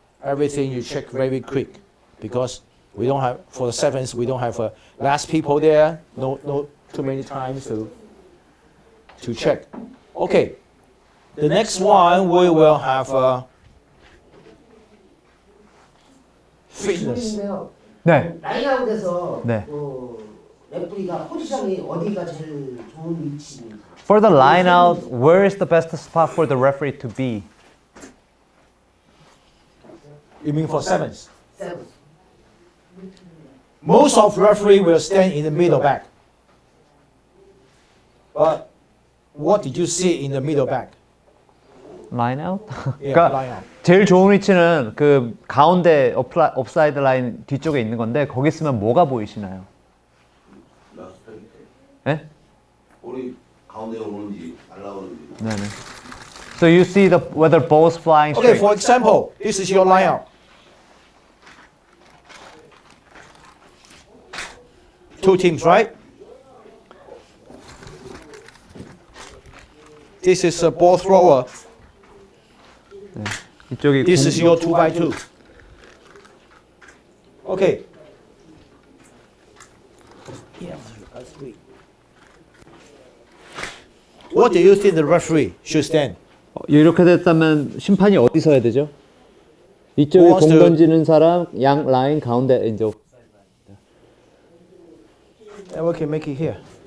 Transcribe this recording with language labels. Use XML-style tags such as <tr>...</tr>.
<en>Everything you check very quick because we don't have, for the sevens, we don't have last people there, no too many times to check. Okay, the next one we will have fitness.</en> <ko>네. 라인아웃에서 네. 레프리가 포지션이 어디가 제일 좋은 위치인가?</ko> <en>For the line out, where is the best spot for the referee to be? You mean for sevens? Sevens. Most of referee will stand in the middle back. But what did you see in the middle back? Line out? Yeah, line out.</en> <ko>제일 좋은 위치는 그 가운데 옵사이드 라인 뒤쪽에 있는 건데 거기 있으면 뭐가 보이시나요? 네? 우리 가운데가 오는지 날라오는지. 네네.</ko> <en>So you see the whether balls flying straight. Okay, for example, this is your line out. Two teams, right? This is a ball thrower.</en> <ko>네. 이쪽이</ko> <en>This is your 2x2. Okay. What do you think the referee should stand?</en> <ko>이렇게 됐다면 심판이 어디 서야 되죠? 이쪽에 공 던지는 사람 양 라인 가운데 이제</ko> <en>And we can make it here.</en>